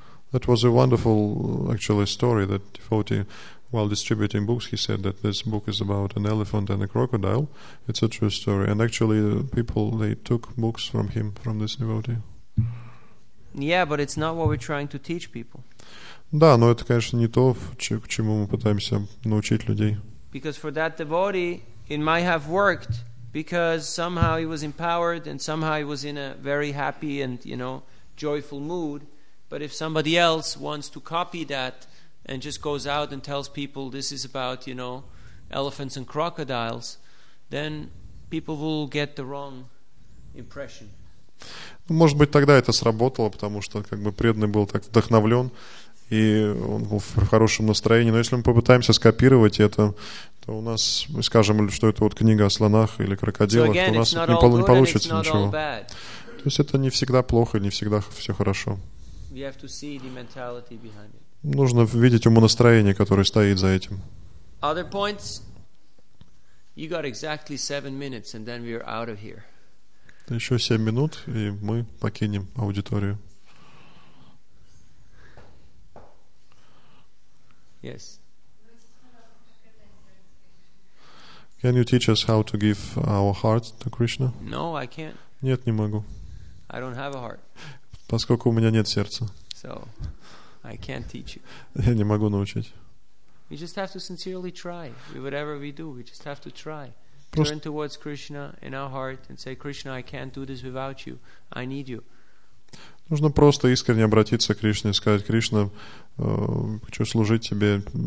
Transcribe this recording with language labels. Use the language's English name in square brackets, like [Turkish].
[English] That was a wonderful, actually, story that devotee, while distributing books, he said that this book is about an elephant and a crocodile. It's a true story. And actually, people, they took books from him, from this devotee. Yeah, but it's not what we're trying to teach people. [Russian] Да, но это, конечно, не то, к чему мы пытаемся научить людей. [English] Because for that devotee, it might have worked, because somehow he was empowered, and somehow he was in a very happy and, you know, joyful mood. But if somebody else wants to copy that and just goes out and tells people this is about, you know, elephants and crocodiles, then people will get the wrong impression. [Russian] Может быть, тогда это сработало, потому что как бы преданный был так вдохновлен, и он был в хорошем настроении. Но если мы попытаемся скопировать это, то у нас, мы скажем, что это вот книга о слонах или крокодилах, [English] so again, [Russian] то у нас [English] it's not all good, [Russian] не получится [English] and it's [Russian] ничего. [English] Not all bad. [Russian] То есть это не всегда плохо, не всегда все хорошо. [English] We have to see the mentality behind it. [Russian] Нужно видеть умонастроение, которое стоит за этим. [English] Other points? You got exactly 7 minutes, and then we are out of here. [Russian] Еще 7 минут, и мы покинем аудиторию. [English] Yes. Can you teach us how to give our heart to Krishna? No, I can't. [Russian] Нет, не могу. [English] I don't have a heart. [Russian] Поскольку у меня нет сердца. [English] So, I can't teach you. [Russian] Я не могу научить. [English] We just have to sincerely try. Whatever we do, we just have to try. [Russian] Просто... [English] Turn towards Krishna in our heart and say, Krishna, I can't do this without you. I need you. [Russian] Нужно просто искренне обратиться к Кришне и сказать, Кришна, хочу служить тебе.